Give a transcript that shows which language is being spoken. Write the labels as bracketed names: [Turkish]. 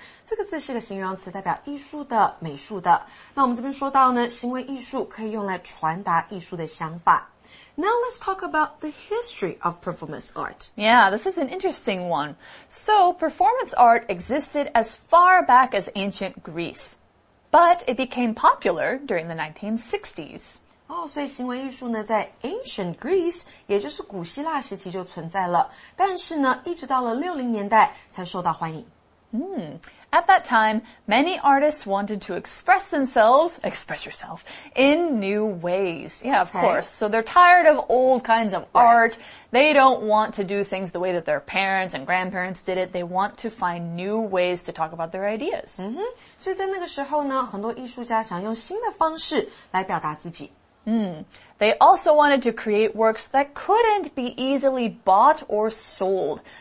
[Chinese] 这个字是个形容词，代表艺术的、美术的。那我们这边说到呢，行为艺术可以用来传达艺术的想法。 [English] Now let's talk about the history of performance art. Yeah, this is an interesting one. So performance art existed as far back as ancient Greece. But it became popular during the 1960s. [Chinese] Oh, 所以行为艺术呢在 ancient Greece, 也就是古希腊时期就存在了。但是呢一直到了60年代才受到欢迎。 [English] At that time, many artists wanted to express themselves, express yourself, in new ways. Yeah, of course. So they're tired of old kinds of art. They don't want to do things the way that their parents and grandparents did it. They want to find new ways to talk about their ideas. Mm-hmm. [Chinese] 所以在那个时候呢，很多艺术家想用新的方式来表达自己。 [English] They also wanted to create works that couldn't be easily bought or sold.